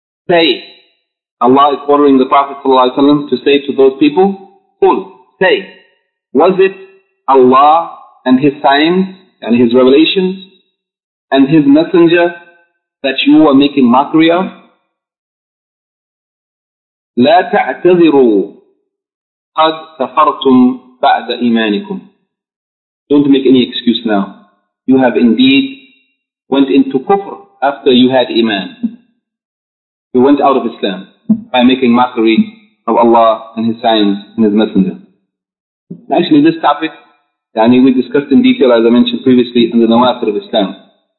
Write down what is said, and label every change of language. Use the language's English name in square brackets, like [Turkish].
[English] Say, Allah is ordering the Prophet ﷺ to say to those people, قُلْ, say, was it Allah and His signs and His revelations and His messenger that you were making mockery of? [Arabic] لا تعتذروا قد كفرتم بعد إيمانكم. [English] Don't make any excuse now. You have indeed went into kufr after you had iman. You went out of Islam by making mockery of Allah and His signs and His messenger. Actually, this topic, yani, we discussed in detail, as I mentioned previously, in the Nawafir of Islam.